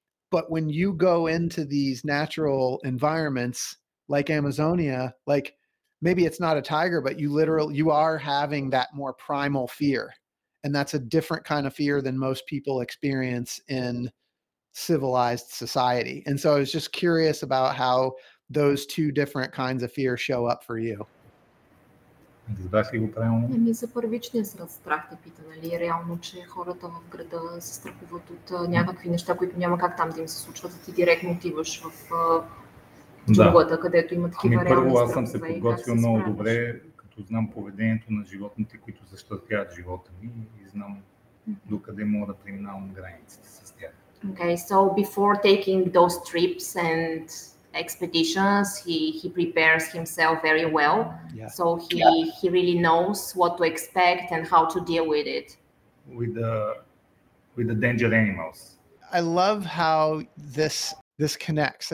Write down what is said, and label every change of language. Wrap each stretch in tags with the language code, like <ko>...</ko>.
<en>But when you go into these natural environments like Amazonia, like maybe it's not a tiger, but you are having that more primal fear. And that's a different kind of fear than most people experience in civilized society. And so I was just curious about how those two different kinds of fear show up for you.</en> <bg>Разбрах ли го правилно? Ами за първичния страх те пита, нали? Реално, че хората в града се страхуват от някакви неща, които няма как там да им се случват, да ти директно отиваш в джунглата, да. Където има такива реални страхове. Първо, аз съм се подготвил много добре, като знам поведението на животните, които защитават живота ми и знам докъде мога да преминавам границите с тях.</bg> <en>Okay, so before taking those trips and expeditions, he prepares himself very well. Yeah. So he really knows what to expect and how to deal with it. With the danger animals. I love how this connects.</en>